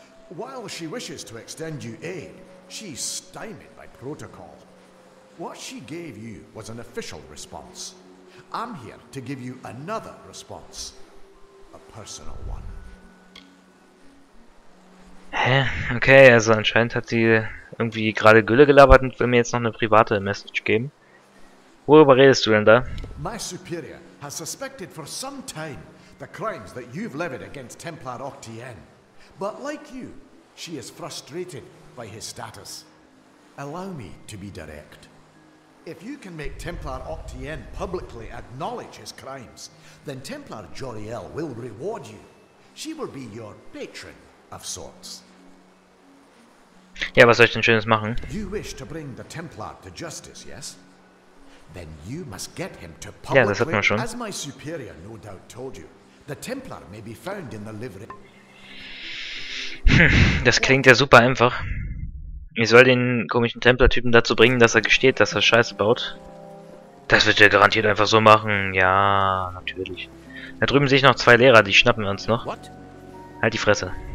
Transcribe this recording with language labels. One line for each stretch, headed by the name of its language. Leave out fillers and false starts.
English: While she wishes to extend you aid, she's stymied by protocol. What she gave you was an official response. I'm here to give you another response. A personal one. Hä?
German: Okay, also anscheinend hat sie irgendwie gerade Gülle gelabert und will mir jetzt noch eine private Message geben. Worüber redest du denn da?
English: My superior has suspected for some time the crimes that you've levied against Templar Octian. But like you, she is frustrated by his status. Allow me to be direct. If you can make Templar Octian publicly acknowledge his crimes, then Templar Joriel will reward you. She will be your patron of sorts.
German: Ja, was soll ich denn Schönes machen?
English: You wish to bring the Templar to justice, yes? Then you must get him to publicly.
German: Ja, das hat man schon.
English: As my superior no doubt told you, the Templar may be found in the livery.
German: Das klingt ja super einfach. Ich soll den komischen Templar-Typen dazu bringen, dass er gesteht, dass er Scheiße baut. Das wird er garantiert einfach so machen. Ja, natürlich. Da drüben sehe ich noch zwei Lehrer, die schnappen wir uns noch. Halt die Fresse.